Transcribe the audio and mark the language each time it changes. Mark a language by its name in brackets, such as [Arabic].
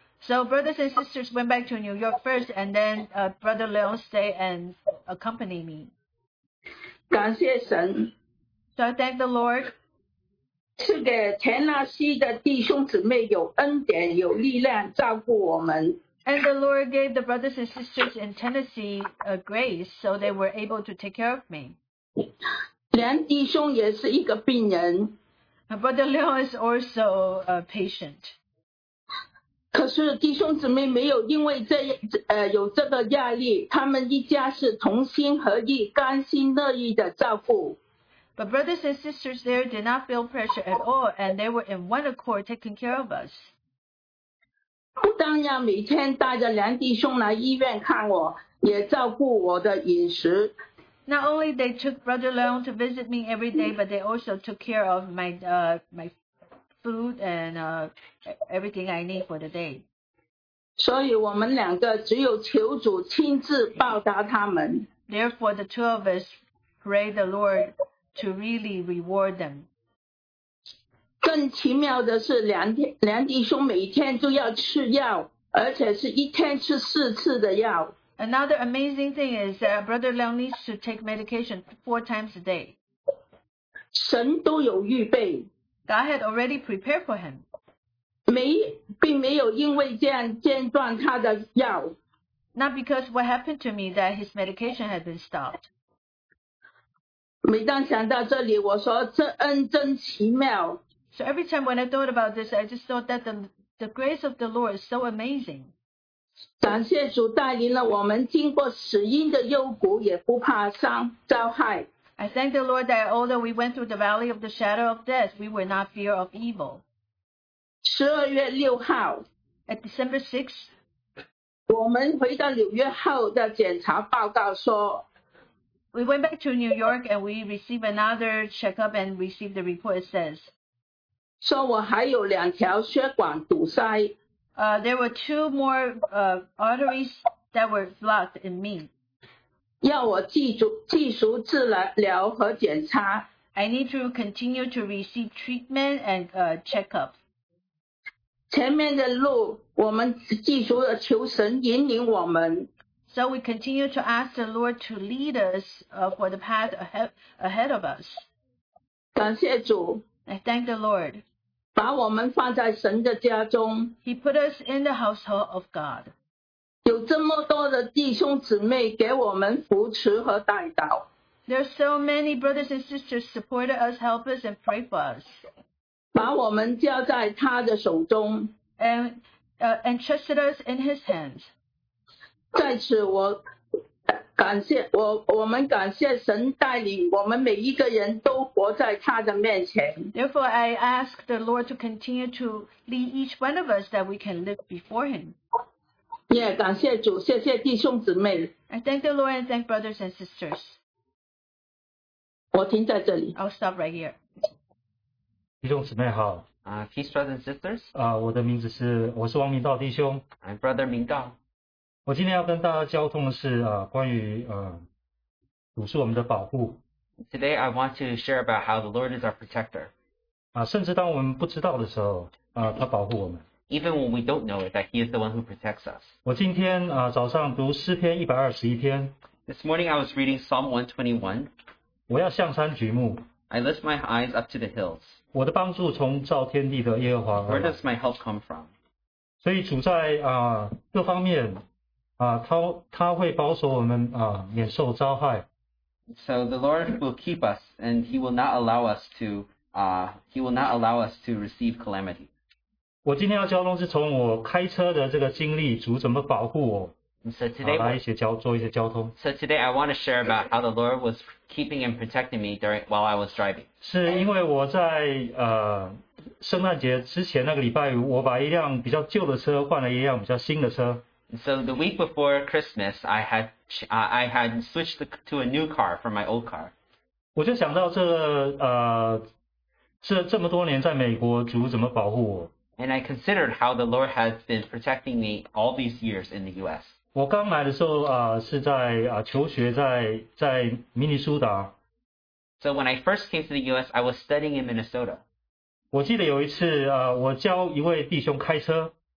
[English] So brothers and sisters went back to New York first, and then Brother Leon stayed and accompanied me. [Chinese] 感谢神。 [English] So I thank the Lord. [Chinese] 是给田纳西的弟兄姊妹有恩典、有力量照顾我们。 [English] And the Lord gave the brothers and sisters in Tennessee a grace, so they were able to take care of me. [Chinese] 梁弟兄也是一个病人。 [English] Brother Leon is also a patient. [Chinese] 可是弟兄姊妹没有因为这有这个压力，他们一家是同心合意、甘心乐意的照顾。 [English] But brothers and sisters there did not feel pressure at all, and they were in one accord taking care of us. [Chinese] 不但要每天带着梁弟兄来医院看我，也照顾我的饮食。 [English] Not only they took Brother Leon to visit me every day, but they also took care of my food and everything I need for the day. [Chinese] 所以我们两个只有求主亲自报答他们。 [English] Therefore, the two of us pray the Lord to really reward them. [Chinese] 更奇妙的是梁弟兄每天都要吃药，而且是一天吃四次的药。 [English] Another amazing thing is that Brother Leon needs to take medication 4 times a day. [Chinese] 神都有预备。 [English] God had already prepared for him. [Chinese] 并没有因为这样间断他的药。 [English] Not because what happened to me that his medication had been stopped. [Chinese] 每当想到这里，我说这恩真奇妙。 [English] So every time when I thought about this, I just thought that the grace of the Lord is so amazing. [Chinese] 感谢主带领了我们经过死荫的幽谷也不怕伤遭害。 [English] I thank the Lord that although we went through the valley of the shadow of death, we were not fear of evil. [Chinese] 12月6号 [English] At December 6th, [Chinese] 我们回到纽约后的检查报告说 [English] We went back to New York and we received another checkup and received the report it says [Chinese] 说我还有两条血管堵塞。 [English] There were two more arteries that were blocked in me. [Chinese] 要我继续治疗和检查。 [English] I need to continue to receive treatment and checkup. [Chinese] 前面的路我们继续的求神引领我们。 [English] So we continue to ask the Lord to lead us for the path ahead of us. [Chinese] 感谢主。 [English] I thank the Lord. [Chinese] 把我们放在神的家中。 [English] He put us in the household of God. [Chinese] 有这么多的弟兄姊妹给我们扶持和带导。 [English] There are so many brothers and sisters supported us, help us, and pray for us. [Chinese] 把我们交在他的手中。 [English] And entrusted us in his hands. [Chinese] 在此我们感谢神带领我们每一个人都活在他的面前。 [English] Therefore, I ask the Lord to continue to lead each one of us that we can live before him. [Chinese] Yeah, 感谢主，谢谢弟兄姊妹。 [English] I thank the Lord and thank brothers and sisters. [Chinese] 我停在这里。 [English] I'll stop right here. [Chinese] 弟兄姊妹好。 [English] Peace, brothers and sisters. [Chinese] 我的名字是，我是王明道弟兄。 [English] I'm Brother 明道。 [Chinese] 我今天要跟大家交通的是关于主是我们的保护。 [English] Today I want to share about how the Lord is our protector. [Chinese] 甚至当我们不知道的时候他保护我们。 [English] Even when we don't know it, that he is the one who protects us. [Chinese] 我今天早上读诗篇121篇。 [English] This morning I was reading Psalm 121. [Chinese] 我要向山举目。 [English] I lift my eyes up to the hills. [Chinese] 我的帮助从造天地的耶和华。 [English] Where does my help come from? [Chinese] 所以主在各方面他会保守我们免受遭害。 [English] So the Lord will keep us, and He will not allow us to receive calamity. [Chinese] 我今天要交通是从我开车的这个经历，主怎么保护我， [English] So today, [Chinese] 来一些交通。 [English] So today I want to share about how the Lord was keeping and protecting me during while I was driving. [Chinese] 是因为我在圣诞节之前那个礼拜，我把一辆比较旧的车换了一辆比较新的车。 [English] So the week before Christmas, I had switched to a new car from my old car. [Chinese] 我就想到这么多年在美国，主怎么保护我。 [English] And I considered how the Lord has been protecting me all these years in the U.S. [Chinese] 我刚来的时候是在求学在明尼苏达。 [English] So when I first came to the U.S., I was studying in Minnesota. [Chinese] 我记得有一次我教一位弟兄开车。